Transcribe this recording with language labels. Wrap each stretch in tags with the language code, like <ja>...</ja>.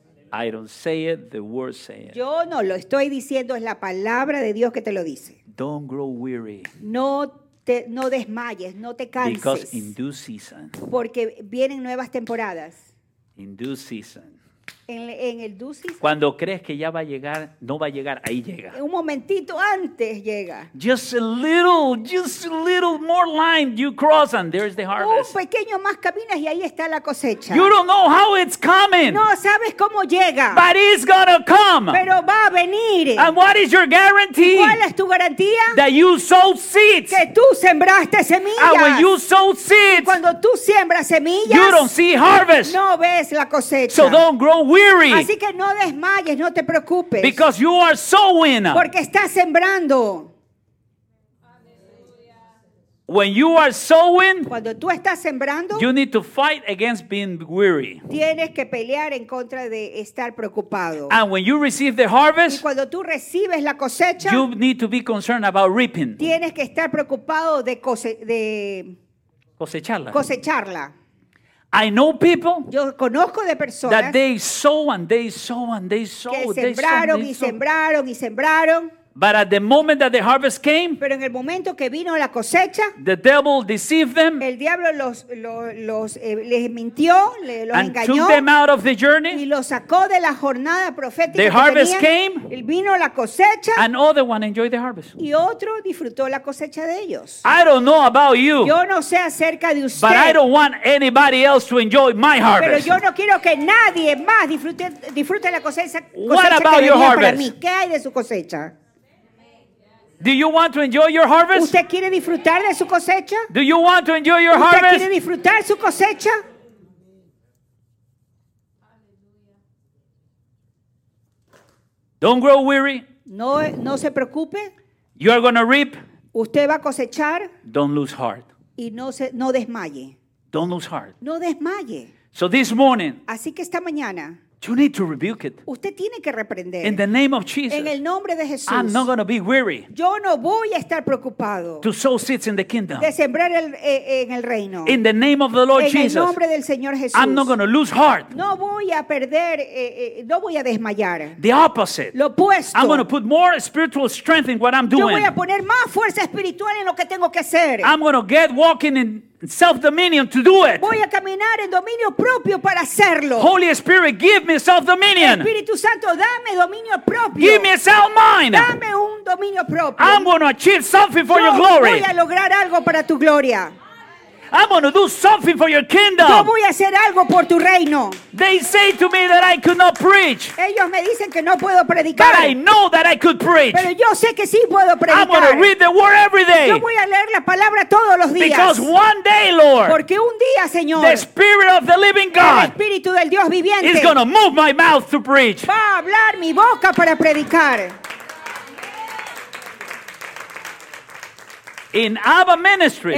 <en>I don't say it, the word say it.</en> <es>Yo no lo estoy diciendo, es la palabra de Dios que te lo dice.</es> <en>Don't grow weary.</en> <es>No desmayes, no te canses.</es> <en>Because in due season.</en> <es>Porque vienen nuevas temporadas.</es> <en>In due season.</en> <es>En el</es> <en>due season.</en> <es>Cuando crees que ya va a llegar, no va a llegar, ahí llega. Un momentito antes llega.</es> <en>Just a little more line you cross and there's the harvest.</en> <es>Un pequeño más caminas y ahí está la cosecha.</es> <en>You don't know how it's coming.</en> <es>No sabes cómo llega.</es> <en>But it's gonna come.</en> <es>Pero va a venir.</es> <en>And what is your guarantee?</en> <es>¿Cuál es tu garantía?</es> <en>That you sow seeds.</en> <es>Que tú sembraste semillas.</es> <en>And when you sow seeds.</en> <es>Y cuando tú siembras semillas.</es> <en>You don't see harvest.</en> <es>No ves la cosecha.</es> <en>So don't grow weary.</en> <es>Así que no desmayes, no te preocupes.</es> <en>Because you are sowing.</en> <es>Porque estás sembrando.</es> <en>When you are sowing,</en> <es>cuando tú estás sembrando,</es> <en>you need to fight against being weary.</en> <es>Tienes que pelear en contra de estar preocupado.</es> <en>And when you receive the harvest,</en> <es>y cuando tú recibes la cosecha,</es> <en>you need to be concerned about reaping.</en> <es>Tienes que estar preocupado de cosecharla. Cosecharla.</es> <en>I know people.</en> <es>Yo conozco de personas</es> <en>that they sow and they sow and they sow.</en> <es>Que sembraron y sembraron y sembraron.</es> <en>But at the moment that the harvest came,</en> <es>pero en el momento que vino la cosecha,</es> <en>the devil deceived them,</en> <es>el diablo les mintió, los</es> <en>and</en> <es>engañó,</es> <en>took them out of the journey,</en> <es>y los sacó de la jornada profética.</es> <en>The</en> <es>que</es> <en>harvest</en> <es>tenía,</es> <en>came,</en> <es>el vino la cosecha,</es> <en>and other one enjoyed the harvest,</en> <es>y otro disfrutó la cosecha de ellos.</es> <en>I don't know about you,</en> <es>yo no sé acerca de usted,</es> <en>but I don't want anybody else to enjoy my harvest.</en> <es>Pero yo no quiero que nadie más disfrute la cosecha.</es> <en>What about your harvest?</en> <es>¿Qué hay de su cosecha?</es> <en>Do you want to enjoy your harvest?</en> <es>¿Usted quiere disfrutar de su cosecha?</es> <en>Do you want to enjoy your</en> <es>¿Usted</es> <en>harvest?</en> <es>¿Usted quiere disfrutar su cosecha?</es> <en>Don't grow weary.</en> <es>No se preocupe.</es> <en>You are going to reap.</en> <es>Usted va a cosechar.</es> <en>Don't lose heart.</en> <es>Y no desmaye.</es> <en>Don't lose heart.</en> <es>No desmaye.</es> <en>So this morning.</en> <es>Así que esta mañana.</es> <en>You need to rebuke it.</en> <es>Usted tiene que reprender.</es> <en>In the name of Jesus.</en> <es>En el nombre de Jesús.</es> <en>I'm not going to be weary.</en> <es>Yo no voy a estar preocupado.</es> <en>To sow seeds in the kingdom.</en> <es>De sembrar en el reino.</es> <en>In the name of the Lord</en> <es>en</es> <en>Jesus.</en> <es>En el nombre del Señor Jesús.</es> <en>I'm not going to lose heart.</en> <es>No voy a perder, no voy a desmayar.</es> <en>The opposite.</en> <es>Lo opuesto.</es> <en>I'm going to put more spiritual strength in what I'm doing.</en> <es>Yo voy a poner más fuerza espiritual en lo que tengo que hacer.</es> <en>I'm going to get walking in self-dominion to do it.</en> <es>Voy a caminar en dominio propio para hacerlo.</es> <en>Holy Spirit, give me self-dominion.</en> <es>Espíritu Santo, dame dominio propio.</es> <en>Give me a sound mind.</en> <es>Dame un dominio propio.</es> <en>I'm going to achieve something for</en> <es>Yo</es> <en>your glory.</en> <es>Voy a lograr algo para tu gloria.</es> <en>I'm going to do something for your kingdom.</en> <es>Yo voy a hacer algo por tu reino.</es> <en>They say to me that I could not preach.</en> <es>Ellos me dicen que no puedo predicar.</es> <en>But I know that I could preach.</en> <es>Pero yo sé que sí puedo predicar.</es> <en>I'm going to read the word every day.</en> <es>Yo voy a leer la palabra todos los días.</es> <en>Because one day, Lord.</en> <es>Porque un día, Señor.</es> <en>The Spirit of the living God.</en> <es>El Espíritu del Dios viviente.</es> <en>Is going to move my mouth to preach.</en> <es>Va a hablar mi boca para predicar.</es> <en>In Abba Ministries,</en>